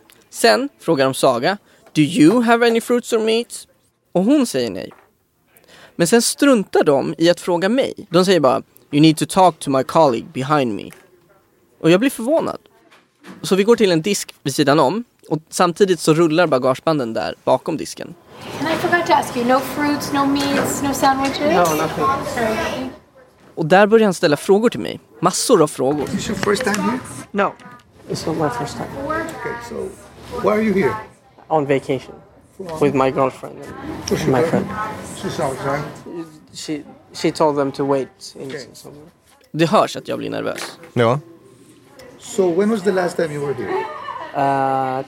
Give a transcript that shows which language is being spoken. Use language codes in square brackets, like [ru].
[sv] Sen frågar de Saga, [en] do you have any fruits or meat? [sv] Och hon säger nej. Men sen struntar de i att fråga mig. De säger bara, [en] you need to talk to my colleague behind me. [sv] Och jag blir förvånad. Så vi går till en disk vid sidan om Och samtidigt så rullar bagagebanden där bakom disken. [en] And I forgot to ask you, no fruits, no meats, no sandwiches? No, nothing. [sv] Och där börjar han ställa frågor till mig. Massor av frågor. [en] Is this your first time here? No, it's not my first time. Okay, so why are you here? On vacation. With my girlfriend and my friend. She's outside. She told them to wait in okay. somewhere. [sv] Det hörs att jag blir nervös. Ja. [en] So when was the last time you were here?